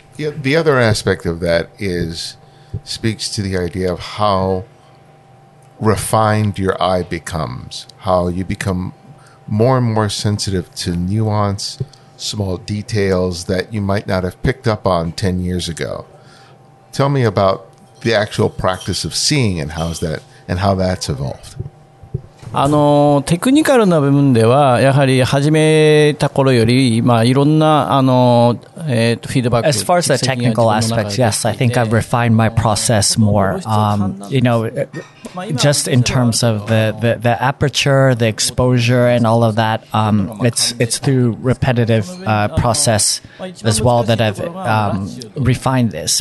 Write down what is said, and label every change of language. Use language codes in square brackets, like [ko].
[en] The other aspect of that is speaks to the idea of how refined your eye becomes, how you become more and more sensitive to nuance, small details that you might not have picked up on 10 years ago. Tell me about the actual practice of seeing and how's that and how that's evolved. [ja] テクニカルな部分ではやはり始めた頃より、まあ、いろんなフィードバック。 [en] As far as the technical aspects, yes, I think I've refined my process more. You know, just in terms of the aperture, the exposure, and all of that, it's through repetitive process as well that I've refined this.